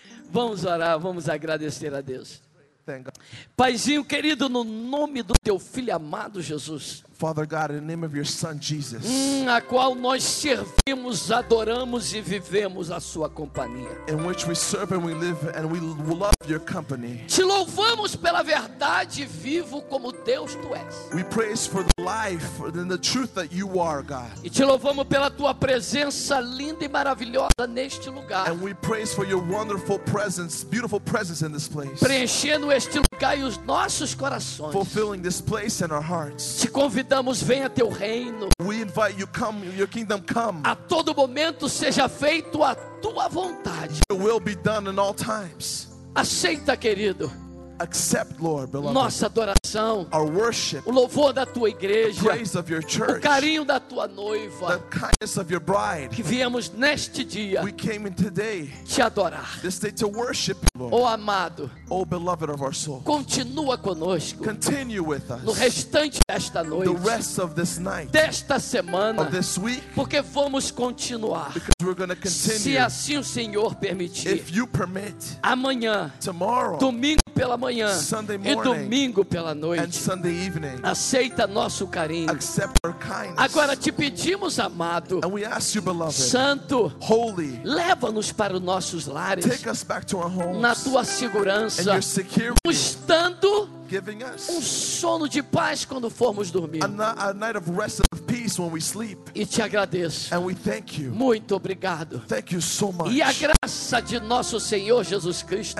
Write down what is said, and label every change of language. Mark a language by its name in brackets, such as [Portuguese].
[Portuguese] Vamos orar, vamos agradecer a Deus. [English] Thank God. [Portuguese] Paizinho querido, no nome do teu filho amado Jesus. [English] Father God, in the name of your son Jesus. [Portuguese] A qual nós servimos, adoramos e vivemos a sua companhia. [English] In which we serve and we live and we love your company. [Portuguese] Te louvamos pela verdade vivo como Deus tu és. [English] We praise for the life and the truth that you are God. [Portuguese] E te louvamos pela tua presença linda e maravilhosa neste lugar. [English] And we praise for your wonderful presence, beautiful presence in this place. [Portuguese] Preenchendo este lugar e os nossos corações. [English] Fulfilling this place and our hearts. [Portuguese] Te convidamos, venha teu reino. [English] We invite you come, your kingdom come. [Portuguese] A todo momento seja feito a tua vontade. [English] Your will be done in all times. [Portuguese] Aceita, querido. [English] Accept, Lord, beloved. [Portuguese] Nossa adoração. [English] Our worship. [Portuguese] O louvor da tua igreja. [English] The praise of your church. [Portuguese] O carinho da tua noiva. [English] The kindness of your bride. [Portuguese] Que viemos neste dia. [English] We came in today. [Portuguese] Te adorar. [English] This day to worship, Lord. [Portuguese] O amado. [English] Oh, beloved of our soul. [Portuguese] Continua conosco. [English] Continue with us. [Portuguese] No restante desta noite. [English] The rest of this night. [Portuguese] Desta semana. [English] Of this week. [Portuguese] Porque vamos continuar. [English] Because we're going to continue. [Portuguese] Se assim o Senhor permitir. [English] If you permit. [Portuguese] Amanhã. [English] Tomorrow. [Portuguese] Domingo pela manhã [English] Sunday [Portuguese] e domingo pela noite. [English] And Sunday evening. [Portuguese] Aceita nosso carinho. [English] Accept our kindness. [Portuguese] Agora te pedimos, amado. [English] And we ask you, beloved. [Portuguese] Santo. [English] Holy. [Portuguese] Leva-nos para os nossos lares. [English] Take us back to our homes. [Portuguese] Na tua segurança. [English] And your security. [Portuguese] Nos dando [English] giving us [Portuguese] um sono de paz quando formos dormir. [English] A night of rest and peace when we sleep. [Portuguese] E te agradeço. [English] And we thank you. [Portuguese] Muito obrigado. [English] Thank you so much. [Portuguese] E a graça de nosso Senhor Jesus Cristo.